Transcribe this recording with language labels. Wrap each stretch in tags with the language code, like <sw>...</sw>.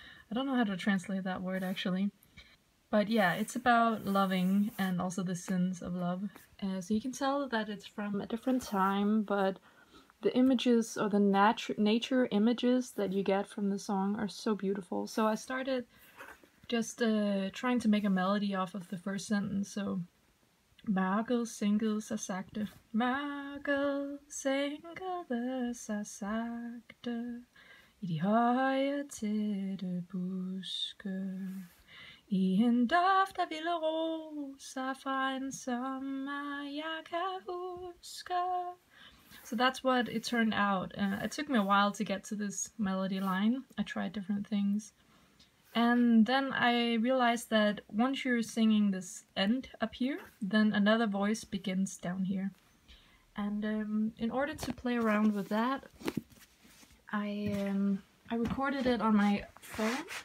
<en>I don't know how to translate that word actually. But yeah, it's about loving and also the sins of love. So you can tell that it's from a different time, but the images or the nature images that you get from the song are so beautiful. So I started just trying to make a melody off of the first sentence, so</en> <da>Mørket sænker sig sakte, mørket sænker sig sakte, i de høje tætte buske, i en duft af vilde roser fra en sommer jeg kan huske.</da> <en>So that's what it turned out. It took me a while to get to this melody line. I tried different things. And then I realized that once you're singing this end up here, then another voice begins down here. And in order to play around with that, I recorded it on my phone.</en>